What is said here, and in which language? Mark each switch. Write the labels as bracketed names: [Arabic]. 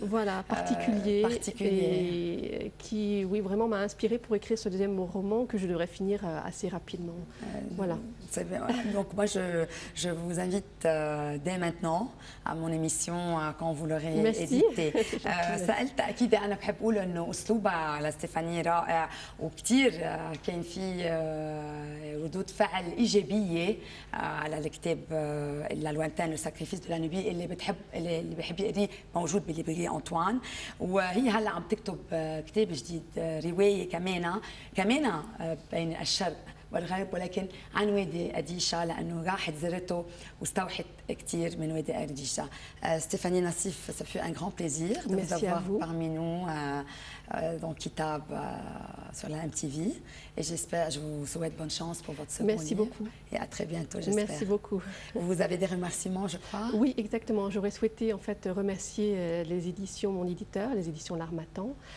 [French] Voilà, particulier. Particulier. Et qui, oui, vraiment m'a inspirée pour écrire ce deuxième roman que je devrais finir assez rapidement. Voilà. C'est bien. Donc moi, je vous invite dès maintenant à mon émission quand vous l'aurez édité. [Arabic] سألت أكيد أنا بحب أقول إنه أسلوبها لستيفاني رائع وكتير كان في ردود فعل إيجابية على الكتاب لا لوانتان لو ساكريفيس دو لا نوبي اللي بحب يقريه موجود بالليبرية أنطوان وهي هلا عم تكتب كتاب جديد رواية كمان بين الشرق والغرب ولكن عن وادي أديشة لأنه راحت زرته واستوحت كثير من وادي أديشة. [French] ستيفاني نصيف، ça fut un grand plaisir de Merci vous avoir vous. Parmi nous dans Kitab sur la MTV. Et j'espère, je vous souhaite bonne chance pour votre second Merci livre. Merci beaucoup. Et à très bientôt, j'espère. Merci beaucoup. Vous avez des remerciements, je crois. Oui, exactement. J'aurais souhaité en fait remercier les éditions, mon éditeur, les éditions L'Harmattan.